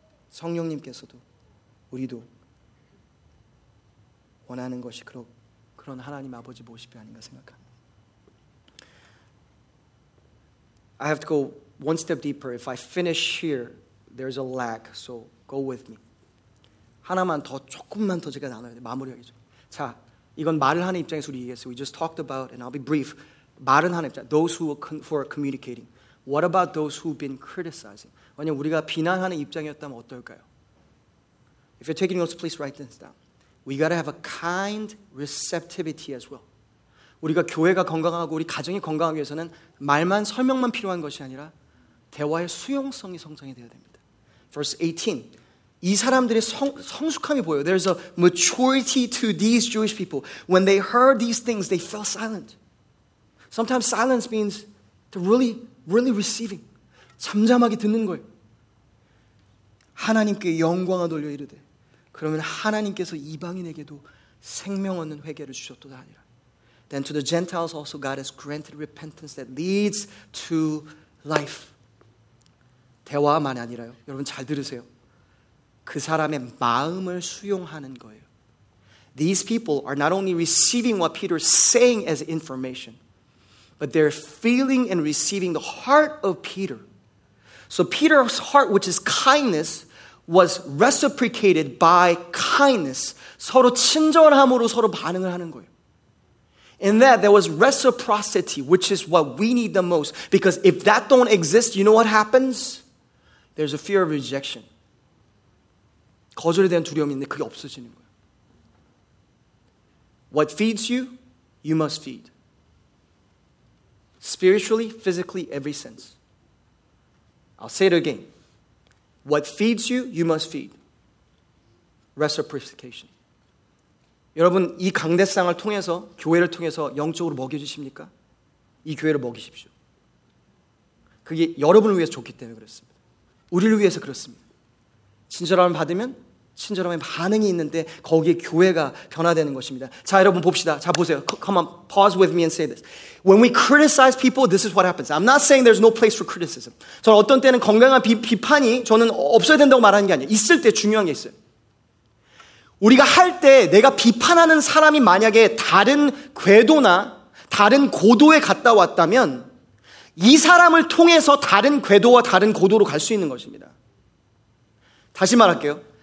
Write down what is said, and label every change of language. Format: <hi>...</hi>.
<ko>성령님께서도 우리도 원하는 것이 그런 하나님 아버지 모습이 아닌가 생각합니다.</ko> <en>I have to go one step deeper. If I finish here, there's a lack, so go with me.</en> <ko>하나만 더, 조금만 더 제가 나눠야 돼, 마무리하겠죠. 자, 이건 말을 하는 입장에서 우리 얘기했어요.</ko> <en>We just talked about, and I'll be brief,</en> <ko>말은 하는 입장,</ko> <en>those who are communicating. What about those who've been criticizing?</en> <ko>만약 우리가 비난하는 입장이었다면 어떨까요?</ko> <en>If you're taking notes, please write this down. We got to have a kind receptivity as well.</en> <ko>우리가 교회가 건강하고 우리 가정이 건강하기 위해서는 말만 설명만 필요한 것이 아니라 대화의 수용성이 성장이 되어야 됩니다.</ko> <en>Verse 18,</en> <ko>이 사람들의 성숙함이 보여요.</ko> <en>There's a maturity to these Jewish people. When they heard these things, they fell silent. Sometimes silence means to really, really receiving.</en> <ko>잠잠하게 듣는 거예요. 하나님께 영광을 돌려 이르되 그러면 하나님께서 이방인에게도 생명 얻는 회개를 주셨도다 하니라.</ko> <en>Then to the Gentiles also God has granted repentance that leads to life.</en> <ko>대화만이 아니라요. 여러분 잘 들으세요. 그 사람의 마음을 수용하는 거예요.</ko> <en>These people are not only receiving what Peter is saying as information, but they're feeling and receiving the heart of Peter. So Peter's heart, which is kindness, was reciprocated by kindness.</en> <ko>서로 친절함으로 서로 반응을 하는 거예요.</ko> <en>In that, there was reciprocity, which is what we need the most. Because if that don't exist, you know what happens? There's a fear of rejection.</en> <ko>거절에 대한 두려움이 있는데 그게 없어지는 거예요.</ko> <en>What feeds you, you must feed. Spiritually, physically, every sense. I'll say it again. What feeds you, you must feed. Reciprocation.</en> <ko>여러분, 이 강대상을 통해서, 교회를 통해서 영적으로 먹여주십니까? 이 교회를 먹이십시오. 그게 여러분을 위해서 좋기 때문에 그렇습니다. 우리를 위해서 그렇습니다. 친절함을 받으면 친절함의 반응이 있는데 거기에 교회가 변화되는 것입니다. 자, 여러분 봅시다. 자, 보세요.</ko> <en>Come on, pause with me and say this. When we criticize people, this is what happens. I'm not saying there's no place for criticism.</en> <ko>저는 어떤 때는 건강한 비판이 저는 없어야 된다고 말하는 게 아니에요. 있을 때 중요한 게 있어요. 우리가 할 때 내가 비판하는 사람이 만약에 다른 궤도나 다른 고도에 갔다 왔다면 이 사람을 통해서 다른 궤도와 다른 고도로 갈 수 있는 것입니다. 다시 말할게요.</ko>